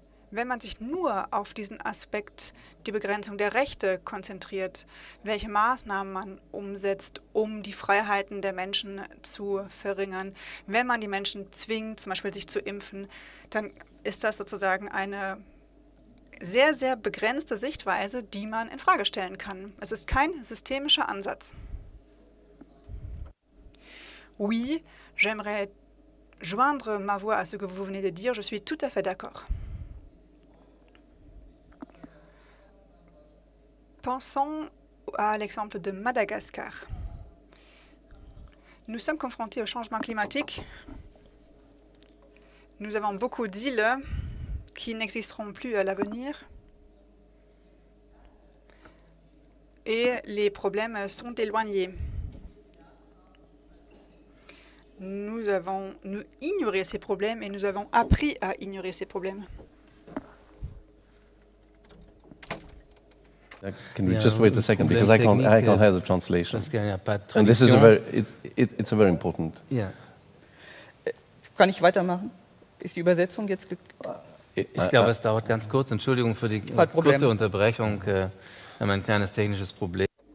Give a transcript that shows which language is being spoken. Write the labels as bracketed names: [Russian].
[German] Wenn man sich nur auf diesen Aspekt, die Begrenzung der Rechte, konzentriert, welche Maßnahmen man umsetzt, um die Freiheiten der Menschen zu verringern, wenn man die Menschen zwingt, zum Beispiel sich zu impfen, dann ist das sozusagen eine sehr, sehr begrenzte Sichtweise, die man in Frage stellen kann. Es ist kein systemischer Ansatz. [French] Oui, j'aimerais joindre ma voix à ce que vous venez de dire. Je suis tout à fait d'accord. Pensons à l'exemple de Madagascar. Nous sommes confrontés au changement climatique. Nous avons beaucoup d'îles qui n'existeront plus à l'avenir. Et les problèmes sont éloignés. Nous avons ignoré ces problèmes et nous avons appris à ignorer ces problèmes. [English] Can we just wait a second, because I can't have the translation. And this is a very, it's a very important. [German] Yeah. Kann ich weitermachen? Ist die Übersetzung jetzt? Ich glaube, es dauert ganz kurz. Entschuldigung für die kurze Unterbrechung. Wir haben ein kleines technisches Problem.